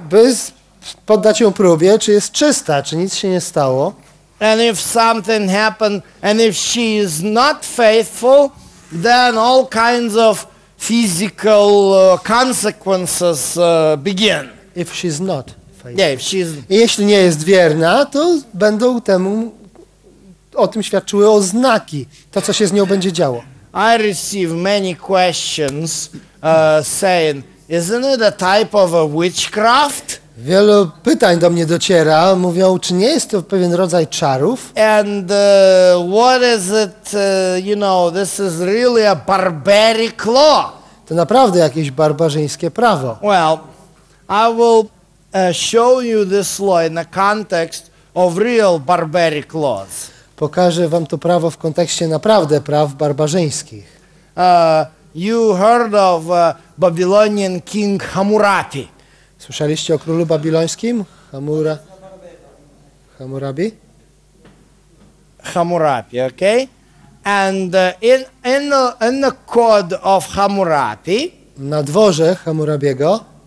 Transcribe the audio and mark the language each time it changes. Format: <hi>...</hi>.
<pl>By poddać ją próbie, czy jest czysta, czy nic się nie stało.</pl> <en>And if something happened, and if she is not faithful, then all kinds of physical consequences begin. If she's not faithful. Yeah, if she's...</en> <pl>Jeśli nie jest wierna, to będą temu, o tym świadczyły oznaki, to co się z nią będzie działo.</pl> <en>I receive many questions saying, isn't it a type of a witchcraft?</en> <pl>Wielu pytań do mnie dociera, mówią, czy nie jest to pewien rodzaj czarów?</pl> <en>And what is it, you know, this is really a barbaric law.</en> <pl>To naprawdę jakieś barbarzyńskie prawo.</pl> <en>Well, I will show you this law in the context of real barbaric laws.</en> <pl>Pokażę wam to prawo w kontekście naprawdę praw barbarzyńskich.</pl> <en>You heard of Babylonian King Hammurabi.</en> <pl>Słyszeliście o królu babilońskim? Hammurabi?</pl> <en>Hammurabi, okay? And in the code of Hammurabi,</en> <pl>na dworze Hammurabiego,</pl>